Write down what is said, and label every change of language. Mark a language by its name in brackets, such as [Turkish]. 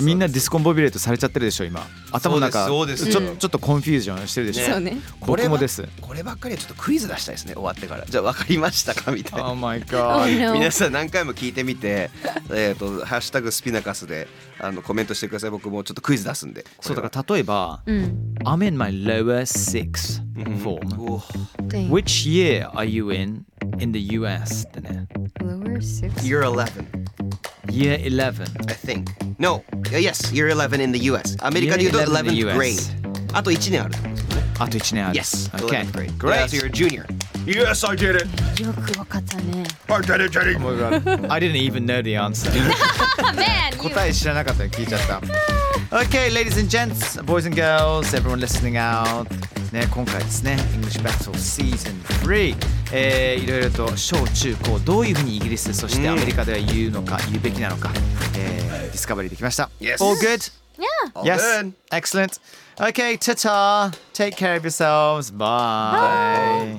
[Japanese] みんなディスコンボビレートされちゃってるでしょ今。頭なんかちょっとコンフュージョンしてるでしょ。そうね。僕もです。こればっかりはちょっとクイズ出したいですね。終わってから。じゃあ分かりましたかみたいな。 [English] Oh my god。 [Japanese] 皆さん何回も聞いてみて、ハッシュタグスピナカスで。あのコメントしてください。僕もちょっとクイズ出すんで。そうだから例えば、うん、 [English] I'm in my lower sixth form. Which year are you in the US? [Japanese] ってね。 [English] six. Year 11. Year 11. I think. No. Yes, year 11 in the US. [Japanese] アメリカで言うと [English] 11th grade. [Japanese] あと1年あるあと1年ある [English] Yes. Okay. Great. Yeah, so you're a junior. Yes, I did it. [Japanese] よくわかったね。 [English] I did it, Jenny. Oh my god. I didn't even know the answer. Man, you... [Japanese] 答え知らなかったよ、聞いちゃった。 [English] Okay, ladies and gents, boys and girls, everyone listening out. [Japanese] ね、今回ですね English Battle Season 3、いろいろと小中高どういうふうにイギリスそしてアメリカでは言うのか、うん、言うべきなのか、ディスカバリーできました [English] Yes All good? Yeah Yes Excellent Okay, ta-ta Take care of yourselves Bye